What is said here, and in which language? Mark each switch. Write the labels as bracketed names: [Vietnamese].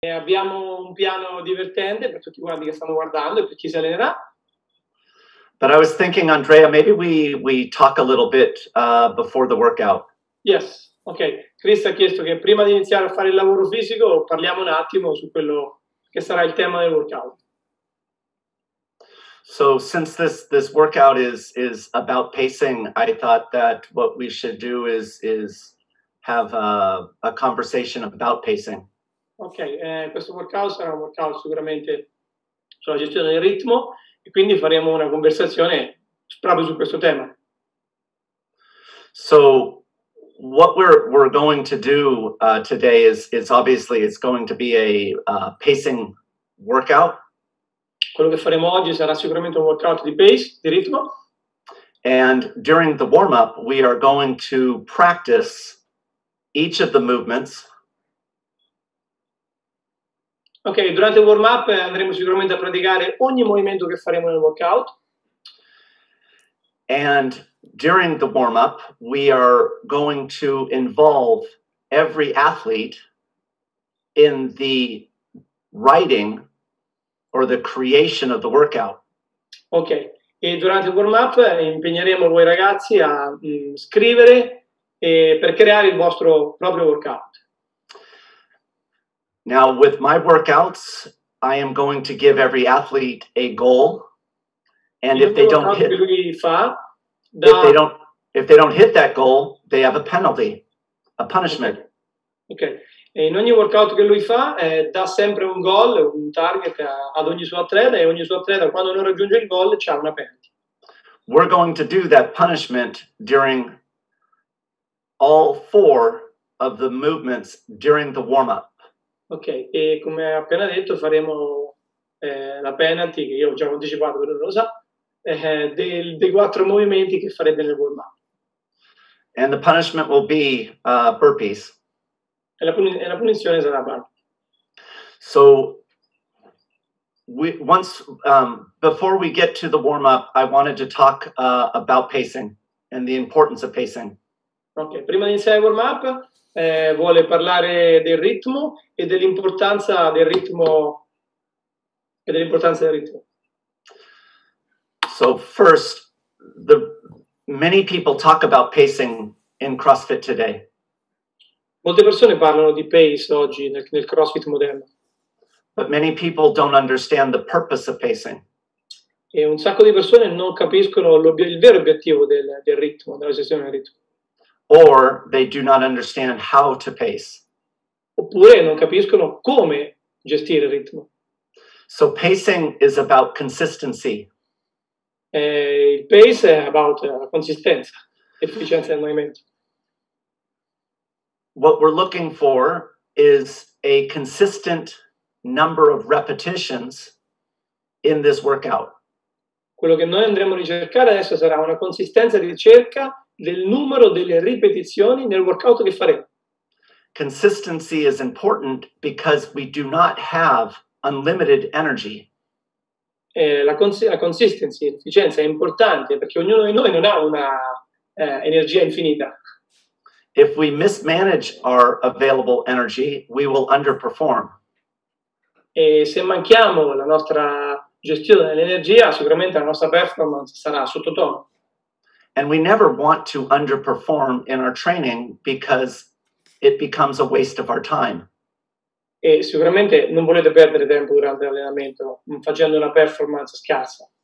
[Italian] Abbiamo un piano divertente per tutti quanti che stanno guardando e per chi si allenerà. [English] But I was thinking, Andrea, maybe we talk a little bit before the workout. Yes, ok. [Italian] Chris ha chiesto che prima di iniziare a fare il lavoro fisico parliamo un attimo su quello che sarà il tema del workout. [English] So since this workout is about pacing, I thought that what we should do is have a conversation about pacing. [Italian] Ok, questo workout sarà un workout sicuramente sulla gestione del ritmo e quindi faremo una conversazione proprio su questo tema. [English] So what we're going to do today is obviously it's going to be a pacing workout. [Italian] Quello che faremo oggi sarà sicuramente un workout di pace, di ritmo. [English] And during the warm-up, we are going to practice each of the movements. [Italian] Ok, durante il warm-up andremo sicuramente a praticare ogni movimento che faremo nel workout. [English] And during the warm-up, we are going to involve every athlete in the writing or the creation of the workout. [Italian] Ok, e durante il warm-up impegneremo voi ragazzi a scrivere per creare il vostro proprio workout. [English] Now, with my workouts, I am going to give every athlete a goal, and [Italian] In [English] if [Italian] ogni [English] they don't [Italian] workout che [English] hit [Italian] lui fa, [English] If they [Italian] da. [English] don't, if they don't hit that goal, they have a penalty, a punishment. Ok. [Italian] E in ogni workout che lui fa, dà sempre un goal, un target ad ogni suo atleta, e ogni suo atleta, quando non raggiunge il goal, c'ha una penalty. [English] We're going to do that punishment during all four of the movements during the warm-up. [Italian] Ok, e come appena detto, faremo la penalty, che io ho già anticipato, per non lo sa. Dei quattro movimenti che farete nel warm-up. [English] And the punishment will be burpees. [Italian] E la punizione sarà barba. [English] So we once before we get to the warm up, I wanted to talk about pacing and the importance of pacing. [Italian] Ok, prima di iniziare il warm-up vuole parlare del ritmo e dell'importanza del ritmo e dell'importanza del ritmo. [English] So first, the many people talk about pacing in CrossFit today. [Italian] Molte persone parlano di pace oggi nel CrossFit moderno. [English] But many people don't understand the purpose of pacing. [Italian] E un sacco di persone non capiscono il vero obiettivo del ritmo, della gestione del ritmo. [English] Or they do not understand how to pace. [Italian] Oppure non capiscono come gestire il ritmo. [English] So pacing is about consistency. [Italian] E il pace è about la consistenza, l'efficienza del movimento. [English] What we're looking for is a consistent number of repetitions in this workout. [Italian] Quello che noi andremo a ricercare adesso sarà una consistenza di ricerca del numero delle ripetizioni nel workout che faremo. [English] Consistency is important because we do not have unlimited energy. [Italian] La consistency, l'efficienza è importante perché ognuno di noi non ha una energia infinita. [English] If we mismanage our available energy, we will underperform. [Italian] E se manchiamo la nostra gestione dell'energia, sicuramente la nostra performance sarà sottotono. [English] And we never want to underperform in our training because it becomes a waste of our time. [Italian] E sicuramente non volete perdere tempo durante l'allenamento facendo una performance scarsa.